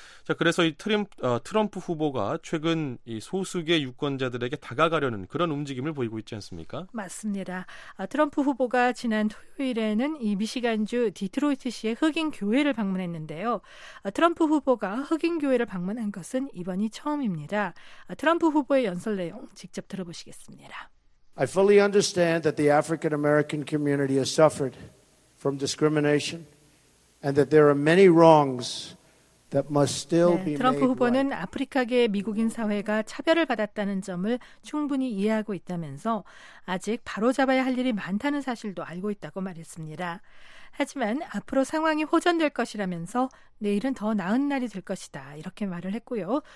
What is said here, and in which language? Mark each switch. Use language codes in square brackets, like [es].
[ko] 자, 그래서 이 트럼프 후보가 최근 이 소수계 유권자들에게 다가가려는 그런 움직임을 보이고 있지 않습니까? 맞습니다. 트럼프 후보가 지난 토요일에는 이 미시간주 디트로이트시의 흑인 교회를 방문했는데요. 트럼프 후보가 흑인 교회를 방문한 것은 이번이 처음입니다. 트럼프 후보의 연설 내용 직접 들어보시겠습니다. [en] I fully understand that the African American community has suffered from discrimination and that there are many wrongs. [ko] 네, 트럼프 후보는 아프리카계 미국인 사회가 차별을 받았다는 점을 충분히 이해하고 있다면서 아직 바로잡아야 할 일이 많다는 사실도 알고 있다고 말했습니다. 하지만 앞으로 상황이 호전될 것이라면서 내일은 더 나은 날이 될 것이다 이렇게 말을 했고요.